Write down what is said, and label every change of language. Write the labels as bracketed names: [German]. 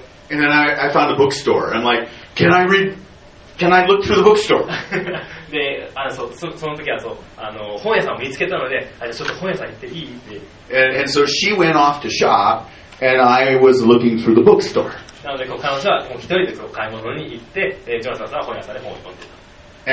[English] and then I found a bookstore I'm like can I look through the bookstore? [Japanese] であの その時はそうあの本屋さんを見つけたのであちょっと本屋さん行っていいって [English] and so she went off to shop and I was looking through the bookstore [Japanese] なのでこう彼女はもう一人でそう買い物に行ってジョナサンさんは本屋さんで本を読んでた